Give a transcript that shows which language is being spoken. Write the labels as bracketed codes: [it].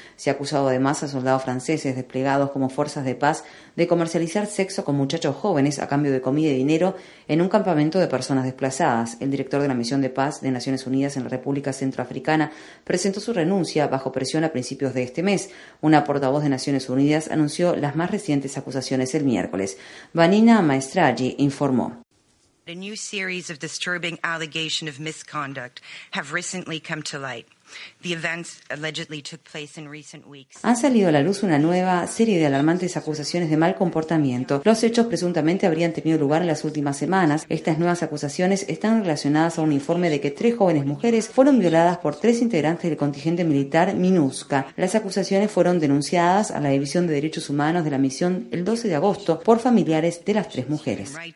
[es] Se ha acusado además a soldados franceses desplegados como fuerzas de paz de comercializar sexo con muchachos jóvenes a cambio de comida y dinero en un campamento de personas desplazadas. El director de la Misión de Paz de Naciones Unidas en la República Centroafricana presentó su renuncia bajo presión a principios de este mes. Una portavoz de Naciones Unidas anunció las más recientes acusaciones el miércoles. Vanina Maestragi informó. [en] A new series of disturbing allegations of misconduct have recently come to light. The events allegedly took place in recent weeks. [es] Han salido a la luz una nueva serie de alarmantes acusaciones de mal comportamiento. Los hechos presuntamente habrían tenido lugar en las últimas semanas. Estas nuevas acusaciones están relacionadas a un informe de que tres jóvenes mujeres fueron violadas por tres integrantes del contingente militar MINUSCA. Las acusaciones fueron denunciadas a la División de Derechos Humanos de la Misión el 12 de agosto por familiares de las tres mujeres.